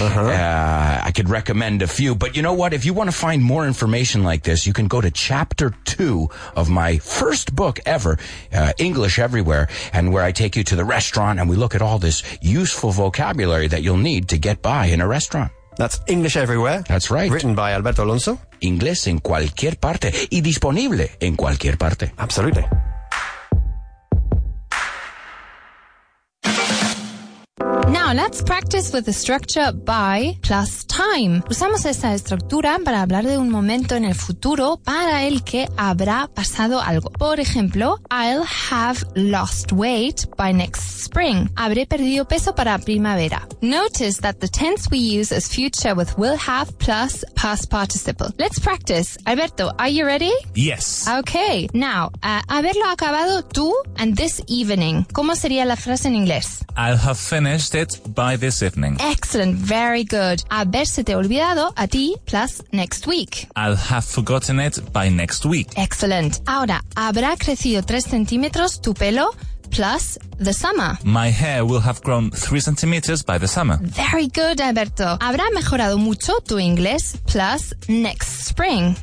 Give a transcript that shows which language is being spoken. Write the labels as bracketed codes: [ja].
[en] I could recommend a few. But you know what? If you want to find more information like this, you can go to Chapter 2 of my first book ever, English Everywhere, and where I take you to the restaurant and we look at all this useful vocabulary that you'll need to get by in a restaurant. That's English Everywhere. That's right. Written by Alberto Alonso. [es] Inglés en cualquier parte y disponible en cualquier parte. [en] Absolutely. Now let's practice with the structure by plus time. [es] Usamos esta estructura para hablar de un momento en el futuro para el que habrá pasado algo. Por ejemplo, [en] I'll have lost weight by next spring. [es] Habré perdido peso para primavera. [en] Notice that the tense we use is future with will have plus past participle. Let's practice. Alberto, are you ready? Yes. Okay. Now, [es] haberlo acabado tú [en] and this evening. [es] ¿Cómo sería la frase en inglés? [en] I'll have finished it by this evening. Excellent. Very good. [es] Haberse te olvidado a ti [en] plus next week. I'll have forgotten it by next week. Excellent. [es] Ahora, ¿habrá crecido 3 centímetros tu pelo [en] plus the summer? My hair will have grown 3 centimeters by the summer. Very good, Alberto. [es] ¿Habrá mejorado mucho tu inglés [en] plus next spring?